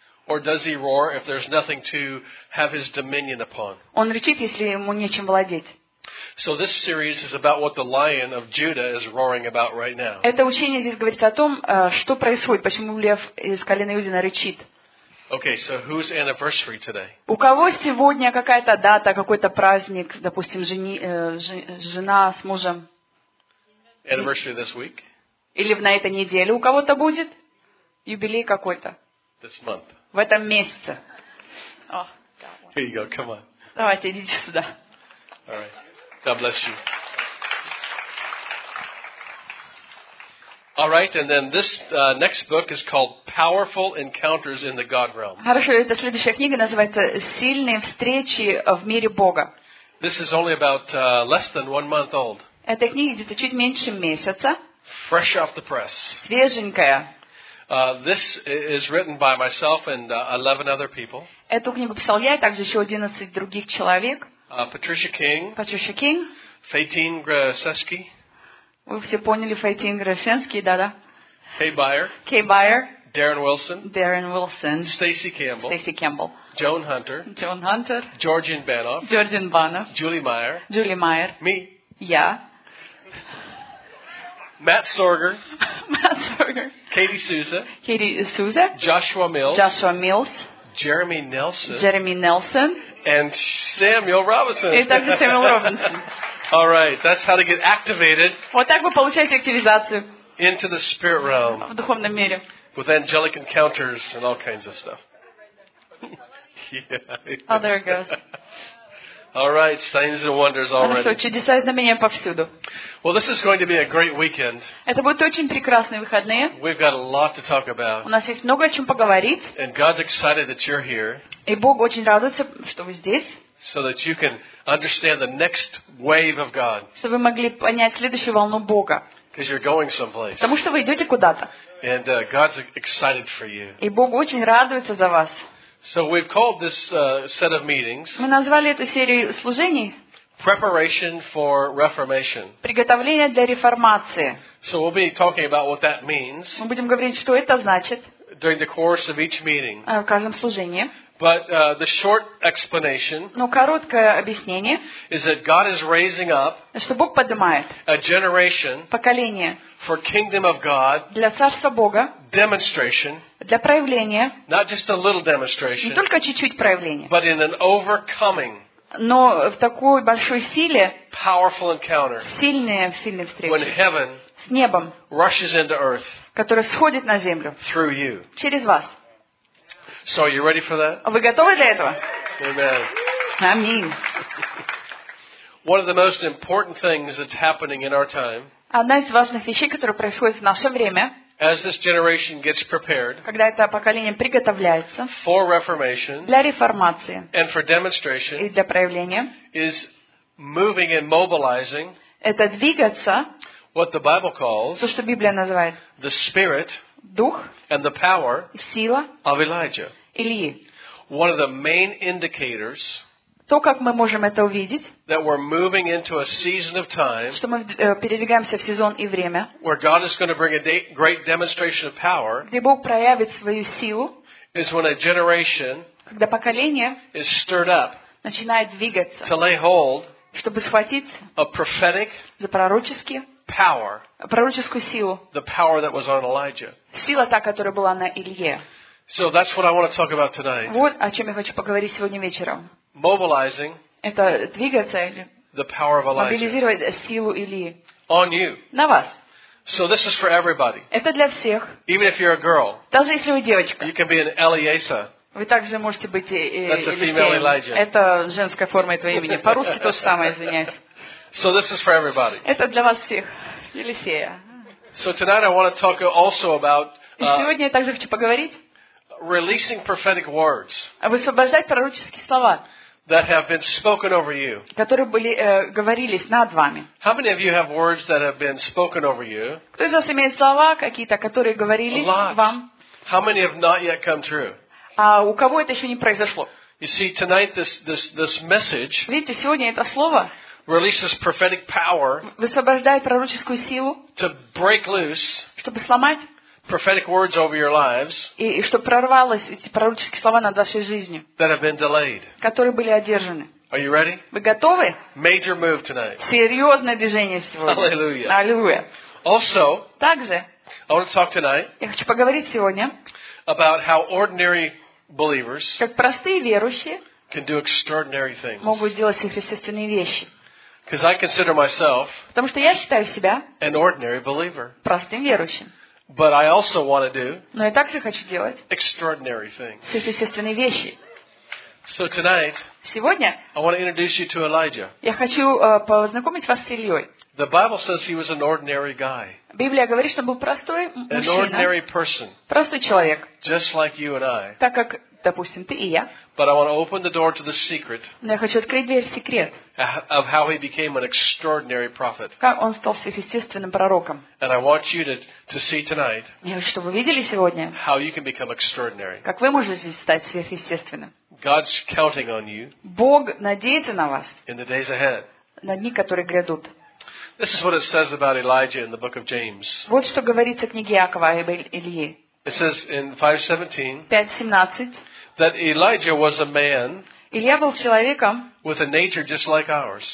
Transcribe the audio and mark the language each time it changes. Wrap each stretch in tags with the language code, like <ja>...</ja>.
<en>Or does he roar if there's nothing to have his dominion upon?</en> <ru>Он рычит, если ему нечем владеть.</ru> <en>So this series is about what the lion of Judah is roaring about right now.</en> <ru>Это учение здесь говорит о том, что происходит, почему лев из колена Иудина рычит.</ru> <en>Okay, so who's anniversary today?</en> <ru>У кого сегодня какая-то дата, какой-то праздник, допустим, жена с мужем?</ru> <en>Anniversary this week?</en> <ru>Или на этой неделе у кого-то будет юбилей какой-то?</ru> <en>This month.</en> <ru>В этом месяце. Oh,</ru> <en>here you go. Come on.</en> <ru>Давайте идите сюда.</ru> <en>All right. God bless you. All right, and then this next book is called Powerful Encounters in the God Realm.</en> <ru>Хорошо, эта следующая книга называется Сильные встречи в мире Бога.</ru> <en>This is only about less than 1 month old.</en> <ru>Эта книга где-то чуть меньше месяца.</ru> <en>Fresh off the press.</en> <ru>Свеженькая.</ru> <en>This is written by myself and 11 other people.</en> <ru>Эту книгу писал я и также еще 11 других человек.</ru> <en>Patricia King. Patricia King.</en> <ru>Фейтин Грасенский. Вы все поняли, Фейтин Грасенский, да-да. Кей Байер. Кей Байер. Дэрен Уилсон. Дэрен Уилсон. Стейси Кэмпбелл. Стейси Кэмпбелл. Джон Хантер. Джон Хантер. Джорджин Банов. Джорджин Банов. Джули Майер. Джули Майер.</ru> <en>Ми.</en> <ru>Я.</ru> <en>Matt Sorger. Matt Sorger. Katie Souza. Katie Souza. Joshua Mills. Joshua Mills. Jeremy Nelson. Jeremy Nelson. And Samuel Robinson.</en> <ru>И также Samuel Robinson.</ru> <en>All right, that's how to get activated.</en> <ru>Вот так вы получаете активизацию.</ru> <en>Into the spirit realm.</en> <ru>В духовном мире.</ru> <en>With angelic encounters and all kinds of stuff. Yeah. Oh, there it goes. All right, signs and wonders already.</en> <ru>Хорошо, чудеса и знамения повсюду.</ru> <en>Well, this is going to be a great weekend.</en> <ru>Это будут очень прекрасные выходные.</ru> <en>We've got a lot to talk about.</en> <ru>У нас есть много о чем поговорить.</ru> <en>And God's excited that you're here.</en> <ru>И Бог очень радуется, что вы здесь.</ru> <en>So that you can understand the next wave of God.</en> <ru>Чтобы вы могли понять следующую волну Бога.</ru> <en>Because you're going someplace.</en> <ru>Потому что вы идете куда-то.</ru> <en>And God's excited for you.</en> <ru>И Бог очень радуется за вас.</ru> <en>So we've called this set of meetings.</en> <ru>Мы назвали эту серию служений.</ru> <en>Preparation for Reformation.</en> <ru>Приготовление для реформации.</ru> <en>So we'll be talking about what that means.</en> <ru>Мы будем говорить, что это значит.</ru> <en>During the course of each meeting.</en> <ru>В каждом служении.</ru> <en>But the short explanation.</en> <ru>Но короткое объяснение.</ru> <en>Is that God is raising up.</en> <ru>Что Бог поднимает.</ru> <en>A generation.</en> <ru>Поколение.</ru> <en>For kingdom of God.</en> <ru>Для царства Бога.</ru> <en>Demonstration.</en> <ru>Для проявления.</ru> <en>Not just a little demonstration.</en> <ru>Не только чуть-чуть проявления.</ru> <en>But in an overcoming.</en> <ru>Но в такой большой силе.</ru> <en>Powerful encounter.</en> <ru>Сильные, сильные встречи.</ru> <en>When heaven.</en> <ru>С небом.</ru> <en>Rushes into earth.</en> <ru>Которое сходит на землю.</ru> <en>Through you.</en> <ru>Через вас.</ru> <en>So are you ready for that?</en> <ru>Вы готовы для этого?</ru> <en>Amen. Amen. One of the most important things that's happening in our time.</en> <ru>Одна из важных вещей, которая происходит в наше время.</ru> <en>As this generation gets prepared.</en> <ru>Когда это поколение приготовляется.</ru> <en>For reformation.</en> <ru>Для реформации.</ru> <en>And for demonstration.</en> <ru>И для проявления.</ru> <en>Is moving and mobilizing.</en> <ru>Это двигаться.</ru> <en>What the Bible calls.</en> <ru>То, что Библия называет.</ru> <en>The Spirit.</en> <ru>Дух</ru> <en>and the power</en> <ru>сила</ru> <en>of Elijah.</en> <ru>Ильи.</ru> <en>One of the main indicators</en> <ru>то, как мы можем это увидеть,</ru> <en>that we're moving into a season of time</en> <ru>что мы передвигаемся в сезон и время,</ru> <en>where God is going to bring a great demonstration of power</en> <ru>где Бог проявит свою силу,</ru> <en>is when a generation</en> <ru>когда поколение</ru> <en>is stirred up</en> <ru>начинает двигаться,</ru> <en>to lay hold</en> <ru>чтобы схватить</ru> <en>a prophetic</en> <ru>за пророческие</ru> <en>power,</en> <ru>пророческую силу.</ru> <en>The power that was on Elijah.</en> <ru>Сила та, которая была на Илье.</ru> <en>So that's what I want to talk about tonight.</en> <ru>Вот о чем я хочу поговорить сегодня вечером.</ru> <en>Mobilizing.</en> <ru>Это двигаться.</ru> <en>The power of Elijah.</en> <ru>Мобилизировать силу Ильи.</ru> <en>On you.</en> <ru>На вас.</ru> <en>So this is for everybody.</en> <ru>Это для всех.</ru> <en>Even if you're a girl.</en> <ru>Даже если вы девочка.</ru> <en>You can be an Eliezer.</en> <ru>Вы также можете быть</ru> <en>That's a female Elijah.</en> <ru>Это женская форма этого имени. По-русски то же самое, извиняюсь.</ru> <en>So this is for everybody.</en> <ru>Это для вас всех. Елисея.</ru> <en>So tonight I want to talk also about</en> <ru>сегодня я также хочу поговорить</ru> <en>releasing prophetic words.</en> <ru>Высвобождать пророческие слова.</ru> <en>That have been spoken over you.</en> <ru>Которые были говорились над вами.</ru> <en>How many of you have words that have been spoken over you?</en> <ru>Кто из вас имеет слова какие-то, которые говорились вам?</ru> <en>How many have not yet come true?</en> <ru>А у кого это еще не произошло?</ru> <en>You see tonight this message.</en> <ru>Видите, сегодня это слово.</ru> <en>Releases prophetic power.</en> <ru>Высвобождает пророческую силу.</ru> <en>To break loose.</en> <ru>Чтобы сломать.</ru> <en>Prophetic words over your lives.</en> <ru>И чтобы прорвалось эти пророческие слова над вашей жизнью.</ru> <en>That have been delayed.</en> <ru>Которые были одержаны.</ru> <en>Are you ready?</en> <ru>Вы готовы?</ru> <en>Major move tonight.</en> <ru>Серьезное движение сегодня.</ru> <en>Hallelujah. Hallelujah. Also.</en> <ru>Также.</ru> <en>I want to talk tonight.</en> <ru>Я хочу поговорить сегодня.</ru> <en>About how ordinary believers.</en> <ru>Как простые верующие.</ru> <en>Can do extraordinary things.</en> <ru>Могут делать сверхъестественные вещи.</ru> <en>Because I consider myself</en> <ru>потому что я считаю себя</ru> <en>an ordinary believer.</en> <ru>Простым верующим.</ru> <en>But I also want to do</en> <ru>но я также хочу делать</ru> <en>extraordinary things.</en> <ru>Сверхъестественные вещи.</ru> <en>So tonight</en> <ru>сегодня</ru> <en>I want to introduce you to Elijah.</en> <ru>Я хочу познакомить вас с Ильей.</ru> <en>The Bible says he was an ordinary guy.</en> <ru>Библия говорит, что он был простой мужчина.</ru> <en>An ordinary person.</en> <ru>Простой человек.</ru> <en>Just like you and I.</en> <ru>Так как допустим, ты и я.</ru> <en>But I want to open the door to the secret.</en> <ru>Но я хочу открыть дверь в секрет.</ru> <en>Of how he became an extraordinary prophet.</en> <ru>Как он стал сверхъестественным пророком.</ru> <en>And I want you to see tonight.</en> <ru>Я хочу, чтобы вы видели сегодня.</ru> <en>How you can become extraordinary.</en> <ru>Как вы можете стать сверхъестественным.</ru> <en>God's counting on you.</en> <ru>Бог надеется на вас.</ru> <en>In the days ahead.</en> <ru>На дни, которые грядут.</ru> <en>This is what it says about Elijah in the book of James.</en> <ru>Вот что говорится в книге Иакова об Илье.</ru> <en>It says in 5:17 that Elijah was a man with a nature just like ours.</en>